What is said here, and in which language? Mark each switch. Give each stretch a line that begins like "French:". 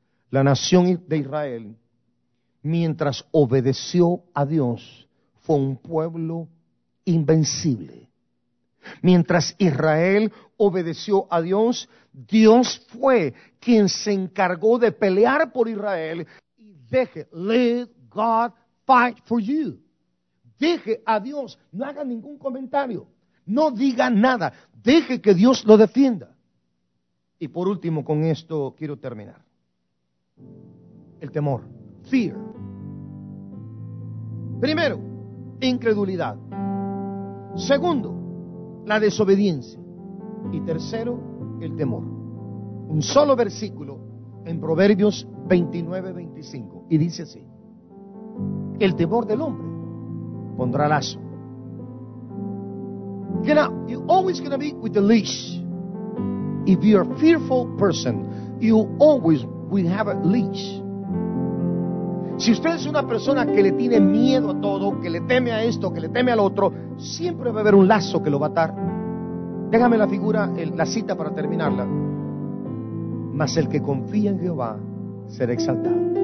Spanish: La nación de Israel, mientras obedeció a Dios, fue un pueblo invencible. Mientras Israel obedeció a Dios, Dios fue quien se encargó de pelear por Israel. Y deje,
English: let God fight for you.
Spanish: Deje a Dios, no haga ningún comentario, no diga nada, deje que Dios lo defienda. Y por último, con esto quiero terminar. El temor, fear. Primero, incredulidad. Segundo, la desobediencia. Y tercero, el temor. Un solo versículo en Proverbios 29:25. Y dice así: el temor del hombre pondrá lazo.
English: You always gonna be with the leash. If you're a fearful person, you always will have a leash.
Spanish: Si usted es una persona que le tiene miedo a todo, que le teme a esto, que le teme al otro, siempre va a haber un lazo que lo va a atar. Déjame la figura, la cita para terminarla. Mas el que confía en Jehová será exaltado.